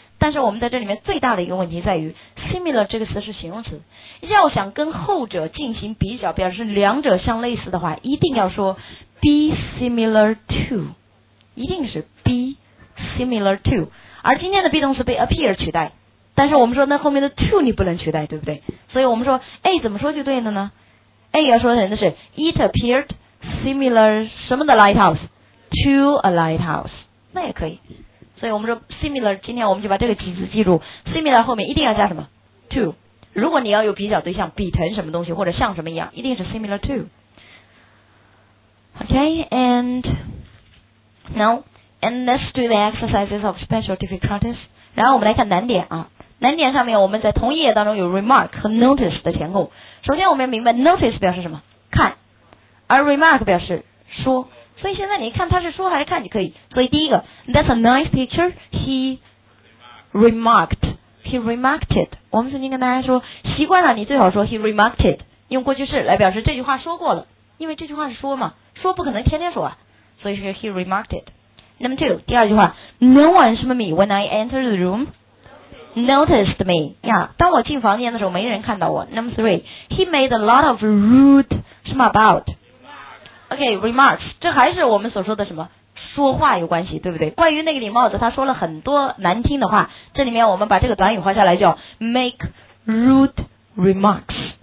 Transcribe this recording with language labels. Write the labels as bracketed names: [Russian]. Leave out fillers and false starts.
[Chinese] 但是我们在这里面最大的一个问题在于 similar 这个词是形容词，要想跟后者进行比较，表示两者相类似的话，一定要说 [English] be similar to， [Chinese] 一定是 be similar to。而今天的 be 动词被 appear 取代，但是我们说那后面的 to 你不能取代，对不对？所以我们说 A 怎么说就对了呢？ A 要说的是 [English] it appeared similar [Chinese] 什么的 [English] lighthouse to a lighthouse， [Chinese] 那也可以。所以我们说 similar， 今天我们就把这个几字记住， [English] similar 后面一定要加什么 to。 [Chinese] 如果你要有比较对象，比成什么东西或者像什么一样，一定是 similar to。 [English] OK and now and let's do the exercises of special difficulties。 [Chinese] 然后我们来看难点啊，难点上面我们在同一页当中有 remark 和 notice 的前后。首先我们要明白 notice 表示什么？看，而 remark 表示说。所以现在你看他是说还是看就可以。所以第一个 [English] that's a nice picture he remarked it。 [Chinese] 我们曾经跟大家说习惯了你最好说 [English] he remarked it， [Chinese] 用过去式来表示这句话说过了，因为这句话是说嘛，说不可能天天说啊，所以是 he remarked it。 [English] Number two， [Chinese] 第二句话 [English] no one [Chinese] 什么 [English] me when I enter the room noticed me， [Chinese] 呀，当我进房间的时候没人看到我。 [English] Number three， he made a lot of rude [Chinese] 什么 [English] about OK remarks， [Chinese] 这还是我们所说的什么说话有关系，对不对？关于那个礼帽子他说了很多难听的话，这里面我们把这个短语画下来叫 [English] make rude remarks。